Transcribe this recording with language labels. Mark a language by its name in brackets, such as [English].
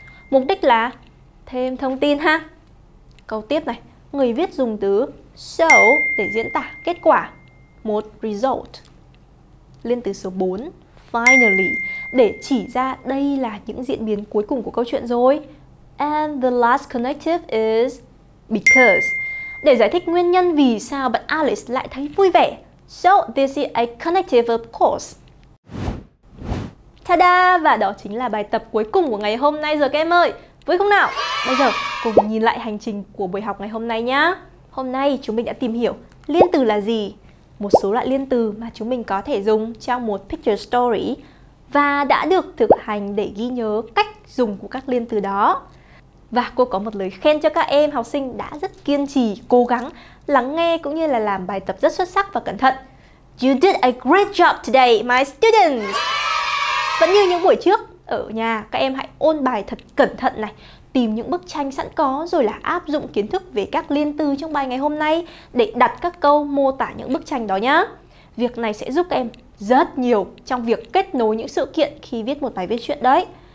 [Vietnamese] Mục đích là thêm thông tin ha. Câu tiếp này, người viết dùng từ so để diễn tả kết quả, một result. Liên từ số 4, finally, để chỉ ra đây là những diễn biến cuối cùng của câu chuyện rồi. [English] And the last connective is because, [Vietnamese] để giải thích nguyên nhân vì sao bạn Alice lại thấy vui vẻ. [English] So this is a connective of course. Ta-da! [Vietnamese] Và đó chính là bài tập cuối cùng của ngày hôm nay rồi các em ơi. Vui không nào? Bây giờ cùng nhìn lại hành trình của buổi học ngày hôm nay nhá. Hôm nay chúng mình đã tìm hiểu liên từ là gì, một số loại liên từ mà chúng mình có thể dùng trong một picture story và đã được thực hành để ghi nhớ cách dùng của các liên từ đó. Và cô có một lời khen cho các em học sinh đã rất kiên trì, cố gắng, lắng nghe cũng như là làm bài tập rất xuất sắc và cẩn thận. [English] You did a great job today, my students! [Vietnamese] Vẫn như những buổi trước, ở nhà các em hãy ôn bài thật cẩn thận này, tìm những bức tranh sẵn có rồi là áp dụng kiến thức về các liên từ trong bài ngày hôm nay để đặt các câu mô tả những bức tranh đó nhá. Việc này sẽ giúp các em rất nhiều trong việc kết nối những sự kiện khi viết một bài viết truyện đấy.